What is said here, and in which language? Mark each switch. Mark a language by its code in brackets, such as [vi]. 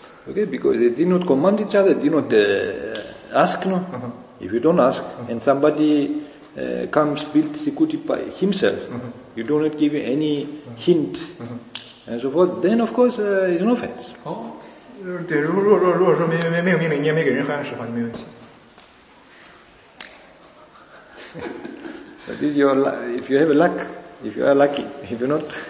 [en] Okay, because they did not command each other, did not ask, no? Uh-huh. If you don't ask, uh-huh. and somebody comes, builds the kuti by himself, uh-huh. you do not give any hint, uh-huh. and so forth, then of course, it's an offense. Oh. [zh] 对,如果说没有命令,你也没给人暗示的话,就没问题。 [en] But this is your luck, if you have luck, if you are lucky, if you're not.